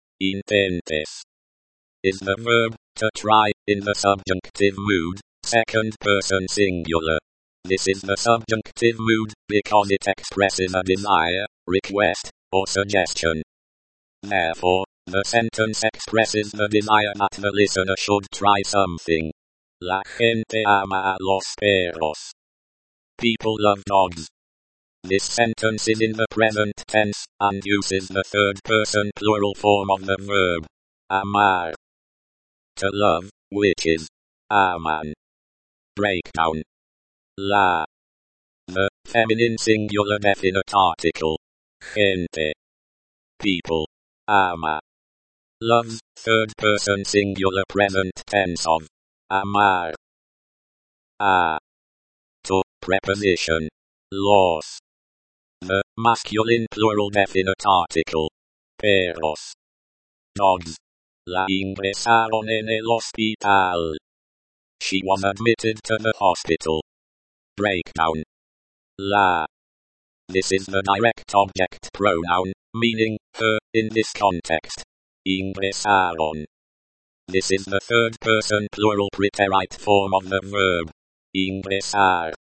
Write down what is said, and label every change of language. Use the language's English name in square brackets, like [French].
[English] Intentes is the verb, to try, in the subjunctive mood, second person singular. This is the subjunctive mood because it expresses a desire, request, or suggestion. Therefore, the sentence expresses the desire that the listener should try something. [Spanish] La gente ama a los perros. [English] People love dogs. This sentence is in the present tense and uses the third person plural form of the verb amar. To love, which is aman. Breakdown. La. The feminine singular definite article. Gente. People. Ama. Loves, third person singular present tense of amar. A. To, preposition. Los. The masculine plural definite article. Perros. Dogs. [Spanish] La ingresaron en el hospital. [English] She was admitted to the hospital. Breakdown. La. This is the direct object pronoun, meaning, her, in this context. Ingresaron. This is the third person plural preterite form of the verb. Ingresar.